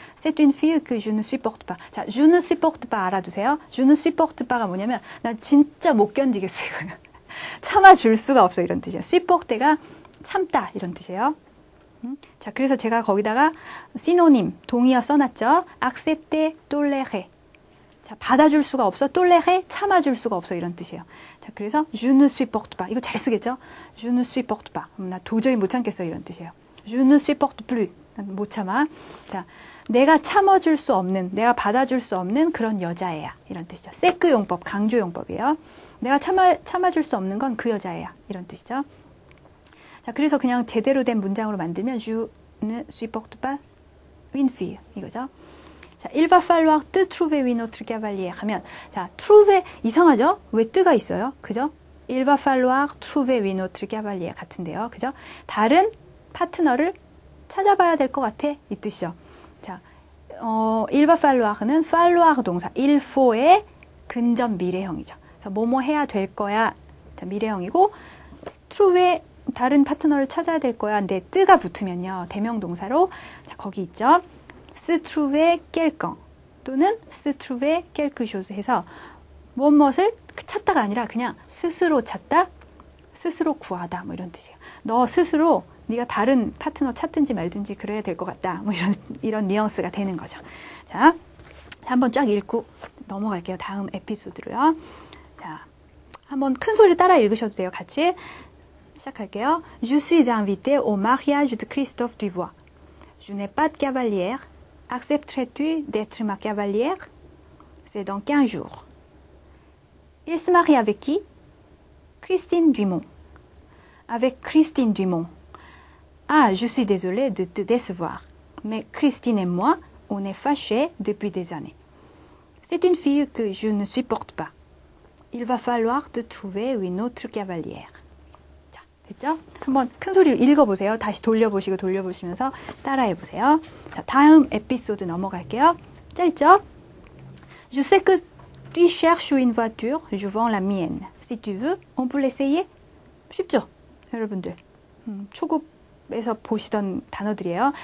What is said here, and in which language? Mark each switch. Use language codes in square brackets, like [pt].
[fr] C'est une fille que je ne supporte pas. 자, je ne supporte pas [ko] 알아두세요. [fr] Je ne supporte pas [ko] 가 뭐냐면 나 진짜 못 견디겠어요. 참아줄 수가 없어 이런 뜻이에요. Supporte가 참다 이런 뜻이에요. 자, 그래서 제가 거기다가 synonym 동의어 써놨죠. Accepte, tolere. 자, 받아줄 수가 없어. Tolere, 참아줄 수가 없어 이런 뜻이에요. [fr] 자, 그래서 je ne supporte pas. [ko] 이거 잘 쓰겠죠? [fr] Je ne supporte pas. [ko] 나 도저히 못 참겠어 이런 뜻이에요. [fr] Je ne supporte plus. [ko] 못 참아. 자, 내가 참아줄 수 없는, 내가 받아줄 수 없는 그런 여자애야. 이런 뜻이죠. 세크 용법, 강조 용법이에요. 내가 참아줄 수 없는 건그 여자애야. 이런 뜻이죠. 자, 그래서 그냥 제대로 된 문장으로 만들면 [fr] je ne supporte pas une fille [ko] 이거죠. [fr] 자, il va falloir te trouver une autre cavalier 하면, 자, trouver [ko] 이상하죠? 왜 뜨가 있어요? 그죠? [fr] il va falloir trouver une autre cavalier 같은데요. [ko] 그죠? 다른 파트너를 찾아봐야 될것 같아. 이 뜻이죠. 자, il va falloir는 falloir 동사, il faut의 근접 미래형이죠. 그래서 뭐뭐 해야 될 거야. 자, 미래형이고, true의 다른 파트너를 찾아야 될 거야. 근데 뜨가 붙으면요. 대명동사로. 자, 거기 있죠. se trouver quelqu'un 또는 se trouver quelque chose 해서 무엇을 찾다가 아니라 그냥 스스로 찾다, 스스로 구하다. 뭐 이런 뜻이에요. 너 스스로 네가 다른 파트너 찾든지 말든지 그래야 될것 같다. 뭐 이런 뉘앙스가 되는 거죠. 자, 한번 쫙 읽고 넘어갈게요. 다음 에피소드로요. 자, 한번 큰 소리로 따라 읽으셔도 돼요. 같이 시작할게요. [fr] Je suis invité au mariage de Christophe Dubois. Je n'ai pas de cavalière. Accepterais-tu d'être ma cavalière? C'est dans 15 jours. Il se marie avec qui? Christine Dumont. Avec Christine Dumont. Ah, je suis désolée de te décevoir, mais Christine et moi, on est fâchés depuis des années. C'est une fille que je ne supporte pas. Il va falloir te trouver une autre cavalière. [ko] 됐죠? 한번 큰 소리로 읽어보세요. 다시 돌려보시고 돌려보시면서 따라해보세요. 자, 다음 에피소드 넘어갈게요. 짧죠? [fr] Je sais que tu cherches une voiture, je vends la mienne. Si tu veux, on peut l'essayer? [ko] 쉽죠? 여러분들. 초급에서 보시던 단어들이에요.